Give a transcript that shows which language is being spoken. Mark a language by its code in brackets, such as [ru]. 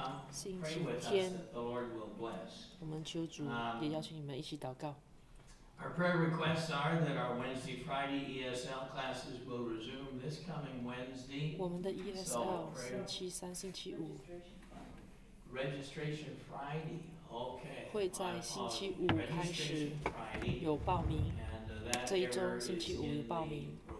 [zh] 星期天，我们求主也邀请你们一起祷告。 [en] Our prayer requests are that our Wednesday, Friday ESL classes will resume this coming Wednesday. [zh] 我们的 ESL 星期三、星期五。 [en] Registration Friday, okay. [zh] 会在星期五开始有报名。这一周星期五有报名。